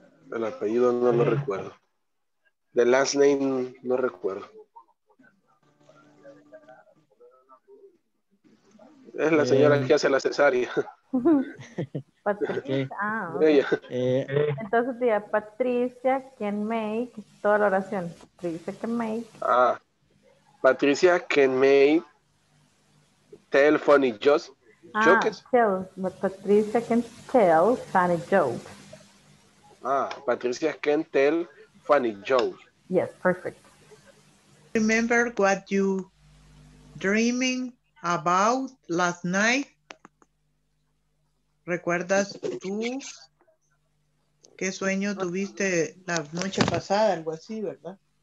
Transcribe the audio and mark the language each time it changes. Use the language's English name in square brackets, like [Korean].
[Spanish] El apellido no lo recuerdo. [English] The last name [Spanish] no recuerdo. Es la señora que hace la cesárea. Patricia. Okay. Ella. Entonces diga Patricia [English] can make [Spanish] toda la oración. [English] Patricia can make. Ah. Patricia can make tell funny jokes. Ah, tell. But Patricia can tell funny jokes. Ah, Patricia can tell funny jokes. Yes, perfect. Remember what you dreaming about last night? [Spanish] ¿Recuerdas tú qué sueño tuviste la noche pasada? Algo así, ¿verdad?